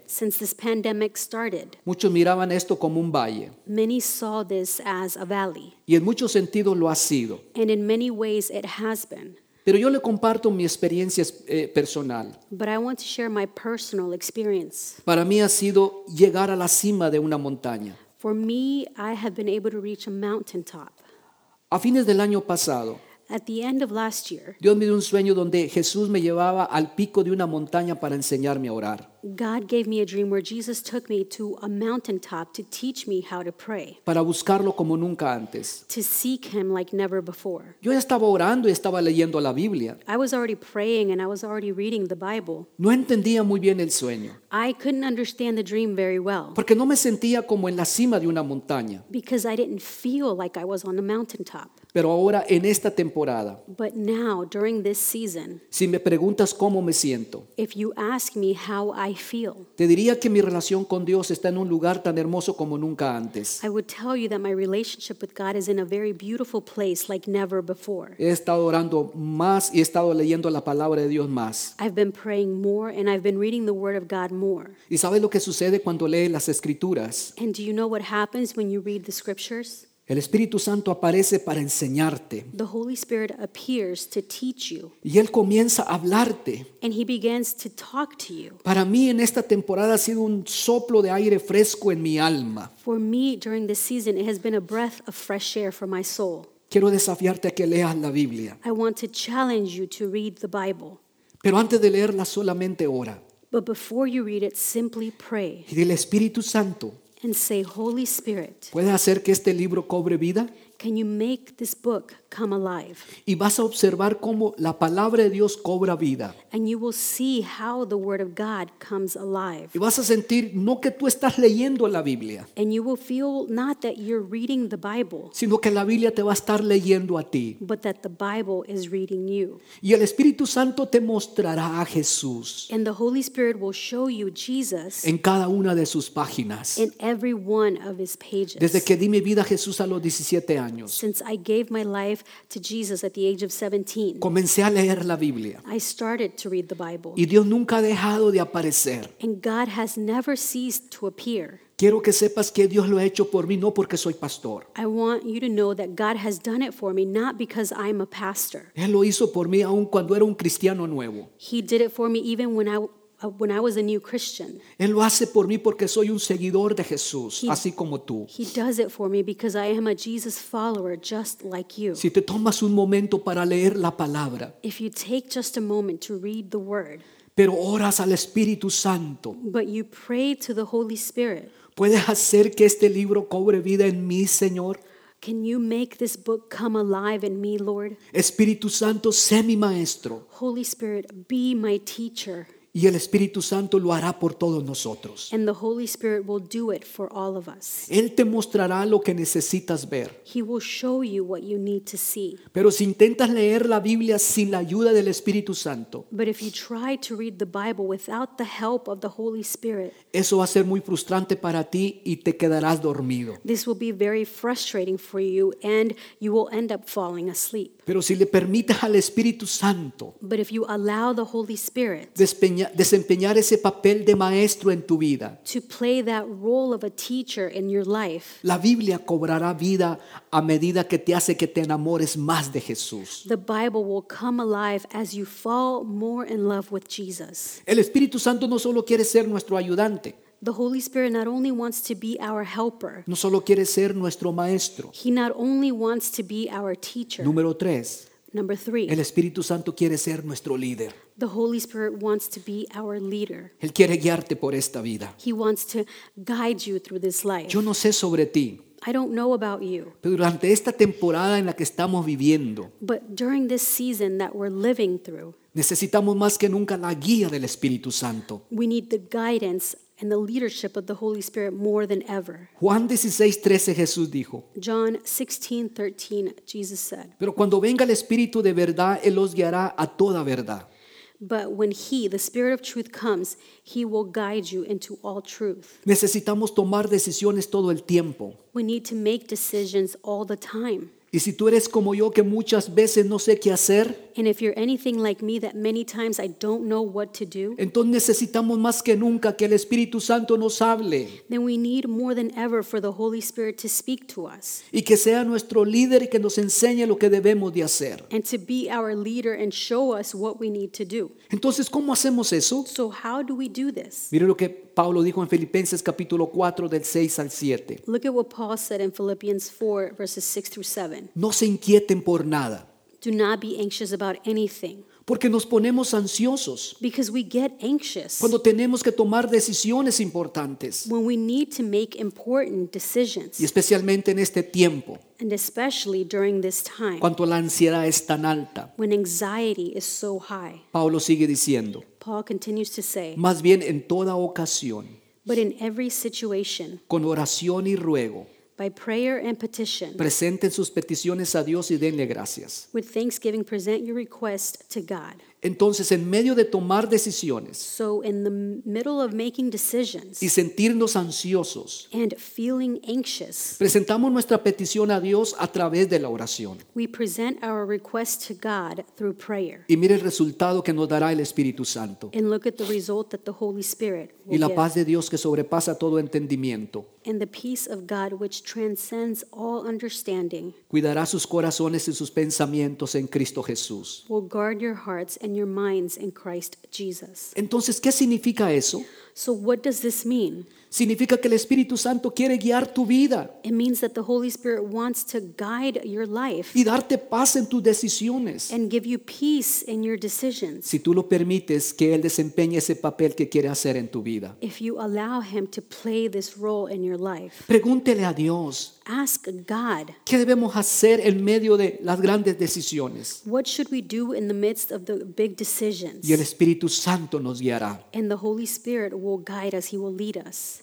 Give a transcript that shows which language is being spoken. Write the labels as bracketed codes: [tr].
[en] since this pandemic started, [es] muchos miraban esto como un valle. [en] Many saw this as a valley. [es] Y en muchos sentidos lo ha sido. [en] And in many ways it has been. [es] Pero yo le comparto mi experiencia personal. [en] But I want to share my personal experience. [es] Para mí ha sido llegar a la cima de una montaña. [en] For me, I have been able to reach a mountaintop. [es] A fines del año pasado, [en] at the end of last year, [es] Dios me dio un sueño donde Jesús me llevaba al pico de una montaña para enseñarme a orar. [en] God gave me a dream where Jesus took me to a mountaintop to teach me how to pray. [es] Para buscarlo como nunca antes. [en] To seek him like never before. [es] Yo estaba orando y estaba leyendo la Biblia. [en] I was already praying and I was already reading the Bible. [es] No entendía muy bien el sueño. [en] I couldn't understand the dream very well. [es] Porque no me sentía como en la cima de una montaña. [en] Because I didn't feel like I was on a mountaintop. [es] Pero ahora en esta temporada. [en] But now, during this season, [es] si me preguntas cómo me siento, [en] if you ask me how I feel, [es] te diría que mi relación con Dios está en un lugar tan hermoso como nunca antes. [en] I would tell you that my relationship with God is in a very beautiful place like never before. [es] He estado orando más y he estado leyendo la palabra de Dios más. [en] I've been praying more and I've been reading the word of God more. [es] ¿Y sabes lo que sucede cuando lees las escrituras? [en] And do you know what happens when you read the scriptures? [es] El Espíritu Santo aparece para enseñarte. [en] The Holy Spirit appears to teach you. [es] Y Él comienza a hablarte. [en] And He begins to talk to you. [es] Para mí en esta temporada ha sido un soplo de aire fresco en mi alma. [en] For me during this season it has been a breath of fresh air for my soul. [es] Quiero desafiarte a que leas la Biblia. [en] I want to challenge you to read the Bible. [es] Pero antes de leerla solamente ora. [en] But before you read it simply pray. [es] Y dile Espíritu Santo. [en] And say, Holy Spirit, [es] ¿puede hacer que este libro cobre vida? [en] Can you make this book come alive? [es] Y vas a observar cómo la palabra de Dios cobra vida. [en] And you will see how the word of God comes alive. [es] Y vas a sentir no que tú estás leyendo la Biblia. [en] And you will feel not that you're reading the Bible. [es] Sino que la Biblia te va a estar leyendo a ti. [en] But that the Bible is reading you. [es] Y el Espíritu Santo te mostrará a Jesús. [en] And the Holy Spirit will show you Jesus. [es] En cada una de sus páginas. [en] In every one of his pages. [es] Desde que di mi vida a Jesús a los 17 años. [en] Since I gave my life to Jesus at the age of 17. [es] Comencé a leer la Biblia. [en] I started to read the Bible. [es] Y Dios nunca ha dejado de aparecer. [en] And God has never ceased to appear. [es] Quiero que sepas que Dios lo ha hecho por mí, no porque soy pastor. [en] I want you to know that God has done it for me, not because I'm a pastor. [es] Él lo hizo por mí aun cuando era un cristiano nuevo. [en] He did it for me even when I was a new Christian. [es] Él lo hace por mí porque soy un seguidor de Jesús, así como tú. [en] He does it for me because I am a Jesus follower just like you. [es] Si te tomas un momento para leer la palabra. [en] If you take just a moment to read the word. [es] Pero oras al Espíritu Santo. [en] But you pray to the Holy Spirit. [es] ¿Puedes hacer que este libro cobre vida en mí, Señor? [en] Can you make this book come alive in me, Lord? [es] Espíritu Santo, sé mi maestro. [en] Holy Spirit, be my teacher. [es] Y el Espíritu Santo lo hará por todos nosotros. [en] And the Holy Spirit will do it for all of us. [es] Él te mostrará lo que necesitas ver. [en] He will show you what you need to see. [es] Pero si intentas leer la Biblia sin la ayuda del Espíritu Santo. [en] But if you try to read the Bible without the help of the Holy Spirit. [es] Eso va a ser muy frustrante para ti y te quedarás dormido. [en] This will be very frustrating for you and you will end up falling asleep. [es] Pero si le permites al Espíritu Santo. [en] But if you allow the Holy Spirit. [es] Desempeñar ese papel de maestro en tu vida. [en] To play that role of a teacher in your life. [es] La Biblia cobrará vida a medida que te hace que te enamores más de Jesús. [en] The Bible will come alive as you fall more in love with Jesus. [es] El Espíritu Santo no solo quiere ser nuestro ayudante. [en] The Holy Spirit not only wants to be our helper. [es] No solo quiere ser nuestro maestro. [en] He not only wants to be our teacher. [es] Número 3. [en] Number 3. [es] El Espíritu Santo quiere ser nuestro líder. [en] The Holy Spirit wants to be our leader. [es] Él quiere guiarte por esta vida. [en] He wants to guide you through this life. [es] Yo no sé sobre ti. [en] I don't know about you. [es] Pero durante esta temporada en la que estamos viviendo. [en] But during this season that we're living through. [es] Necesitamos más que nunca la guía del Espíritu Santo. [en] We need the guidance and the leadership of the Holy Spirit more than ever. [es] Juan 16:13 Jesús dijo. [en] John 16:13 Jesus said. [es] Pero cuando venga el Espíritu de verdad, Él los guiará a toda verdad. [en] But when He, the Spirit of Truth, comes, He will guide you into all truth. [es] Necesitamos tomar decisiones todo el tiempo. [en] We need to make decisions all the time. [es] Y si tú eres como yo que muchas veces no sé qué hacer, [en] and if you're anything like me that many times I don't know what to do, [es] entonces necesitamos más que nunca que el Espíritu Santo nos hable. [en] Then we need more than ever for the Holy Spirit to speak to us. [es] Y que sea nuestro líder y que nos enseñe lo que debemos de hacer. [en] And to be our leader and show us what we need to do. [es] Entonces, ¿cómo hacemos eso? [en] So how do we do this? [es] Mire lo que Pablo dijo en Filipenses capítulo 4 del 6 al 7. [en] Look at what Paul said in Philippians 4 verses 6 through 7. [es] No se inquieten por nada. [en] Do not be anxious about anything. [es] Porque nos ponemos ansiosos. [en] Because we get anxious. [es] Cuando tenemos que tomar decisiones importantes. [en] When we need to make important decisions. [es] Y especialmente en este tiempo. [en] And especially during this time. [es] Cuando la ansiedad es tan alta. [en] When anxiety is so high. [es] Pablo sigue diciendo. [en] Paul continues to say. [es] Más bien en toda ocasión. [en] But in every situation. [es] Con oración y ruego. [en] By prayer and petition. [es] Presenten sus peticiones a Dios y denle gracias. [en] With thanksgiving, present your request to God. [es] Entonces, en medio de tomar decisiones. [en] So in the middle of making decisions. [es] Y sentirnos ansiosos. [en] And feeling anxious. [es] Presentamos nuestra petición a Dios a través de la oración. [en] We present our request to God through prayer. [es] Y mire el resultado que nos dará el Espíritu Santo. [en] And look at the result that the Holy Spirit will [es] y la [en] give. [es] Paz de Dios que sobrepasa todo entendimiento. [en] And the peace of God which transcends all understanding. [es] Cuidará sus corazones y sus pensamientos en Cristo Jesús. [en] Will guard your hearts and your minds in Christ Jesus. [es] Entonces, ¿qué significa eso? [en] So what does this mean? [es] Significa que el Espíritu Santo quiere guiar tu vida. [en] It means that the Holy Spirit wants to guide your life. [es] Y darte paz en tus decisiones. [en] And give you peace in your decisions. [es] Si tú lo permites que Él desempeñe ese papel que quiere hacer en tu vida. [en] If you allow Him to play this role in your life. [es] Pregúntele a Dios. [en] Ask God. [es] ¿Qué debemos hacer en medio de las grandes decisiones? [en] What should we do in the midst of the big decisions? [es] Y el Espíritu Santo nos guiará. [en] And the Holy Spirit will guide us. He will lead us.